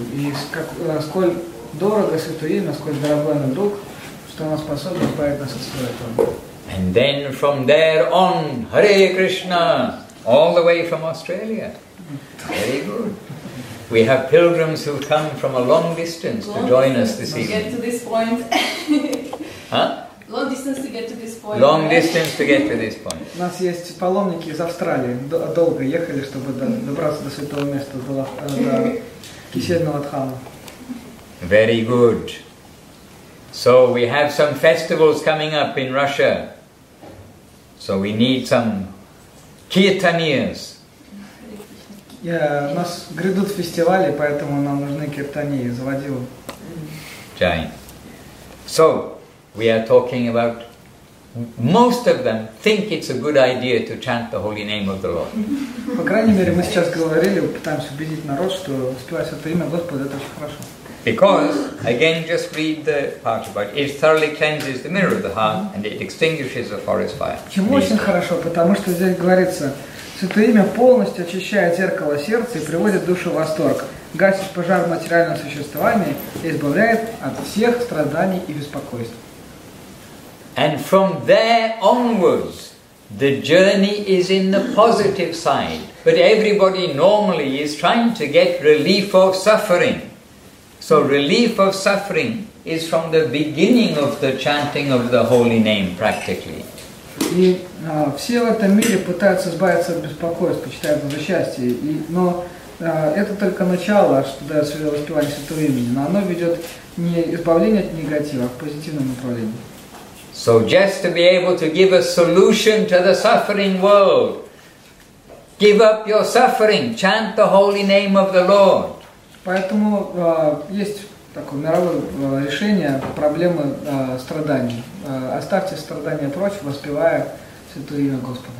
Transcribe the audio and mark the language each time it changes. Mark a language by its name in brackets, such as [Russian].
[Russian] И сколь дорого святое имя, сколь дорогой оно друг, что оно способно избавить нас от всего этого. [English] And then from there on, Hare Krishna, all the way from Australia. Very good. We have pilgrims who come from a long distance to join us this evening. Get to this point. Huh? Long distance to get to this point. Long distance to get to this point. [Russian] У нас есть паломники из Австралии, долго ехали, чтобы добраться до святого места, до кисельного дхамы. [English] Very good. So we have some festivals coming up in Russia. So we need some kirtaniyas. [Russian] У нас грядут фестивали, поэтому нам нужны киртании, заводилы. Jai. [English] So we are talking about, most of them think it's a good idea to chant the holy name of the Lord. [Russian] По крайней мере, мы сейчас говорили, пытаемся убедить народ, что воспевать святое имя Господа, это очень хорошо. [English] Because, again, just read the part about it. It thoroughly cleanses the mirror of the heart and it extinguishes the forest fire. [Russian] Почему очень хорошо? Потому что здесь говорится, святое имя полностью очищает зеркало сердца и приводит душу в восторг. Гасит пожар материального существования и избавляет от всех страданий и беспокойств. [English] And from there onwards, the journey is in the positive side. But everybody normally is trying to get relief of suffering. So relief of suffering is from the beginning of the chanting of the holy name, practically. [Russian] И все в этом мире пытаются избавиться от беспокойств, почитают за счастье. Но это только начало, что дает воспевание святого имени. Но оно ведет не избавление от негатива, а к позитивному направлению. [English] So just to be able to give a solution to the suffering world, give up your suffering, chant the holy name of the Lord. [Russian] Поэтому есть такое мировое решение проблемы страданий. Оставьте страдания прочь, воспевая святое имя Господа.